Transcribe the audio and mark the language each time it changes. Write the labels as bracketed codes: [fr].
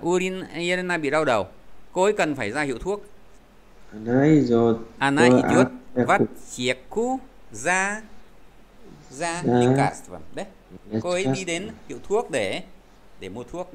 [ru] У Ирены [vi] bị đau đầu. Cô ấy cần phải ra hiệu thuốc. [ru] Она идет в аптеку за лекарством. [vi] Đấy. Cô ấy đi đến hiệu thuốc để mua thuốc.